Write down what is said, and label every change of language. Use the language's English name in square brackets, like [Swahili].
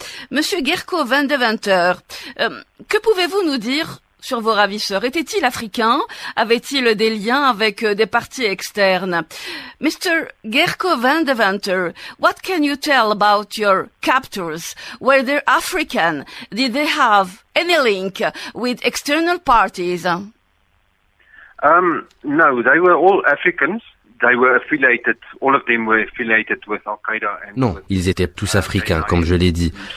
[French] Monsieur Gerco van Deventer, que pouvez-vous nous dire sur vos ravisseurs? Était-il africain? Avait-il des liens avec des parties externes? [English] Mr. Gerco van Deventer, what can you tell about your captors? Were they African? Did they have any link with external parties? No, they were all Africans. They were affiliated, all of them were affiliated with Al-Qaïda. [French] Non, ils étaient tous africains, comme je l'ai dit.